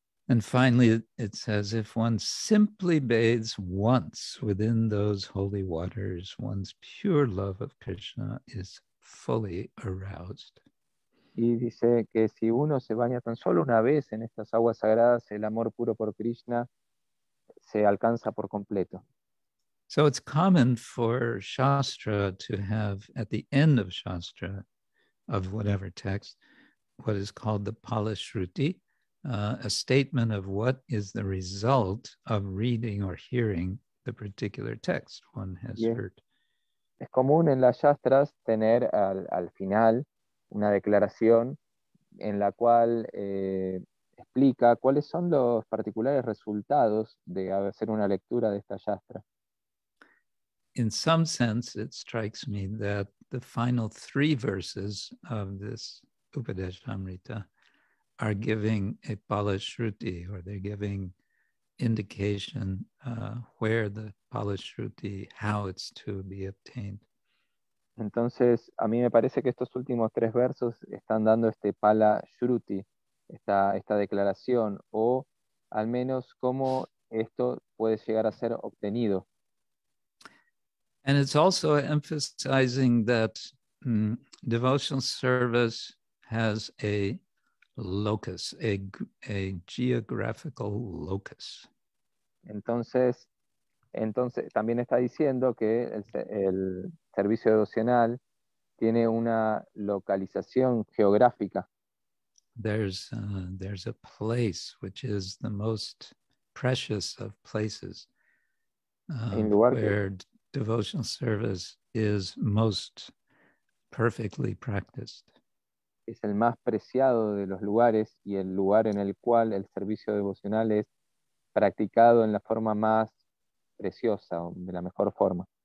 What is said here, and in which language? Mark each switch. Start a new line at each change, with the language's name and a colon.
English: And finally, it says, if one simply bathes once within those holy waters, one's pure love of Krishna is fully aroused.
Spanish: Y dice que si uno se baña tan solo una vez en estas aguas sagradas, el amor puro por Krishna se alcanza por completo.
English: So it's common for Shastra to have, at the end of Shastra, of whatever text, what is called the Pala Shruti, a statement of what is the result of reading or hearing the particular text one has heard.
Spanish: Es común en las shastras tener al final una declaración en la cual explica cuáles son los particulares resultados de hacer una lectura de esta shastra.
English: In some sense, it strikes me that the final three verses of this Upadesamrta are giving a Pala Shruti, or they're giving indication where the Pala Shruti, how it's to be obtained.
Spanish: Entonces, a mí me parece que estos últimos tres versos están dando este Pala Shruti, esta declaración, o al menos cómo esto puede llegar a ser obtenido.
English: And it's also emphasizing that devotional service has a locus, a geographical locus.
Spanish: Entonces también está diciendo que el servicio devocional tiene una localización geográfica.
English: There's a place which is the most precious of places, where devotional service is most perfectly practiced.
Spanish: Es el más preciado de los lugares y el lugar en el cual el servicio devocional es practicado en la forma más preciosa o de la mejor forma.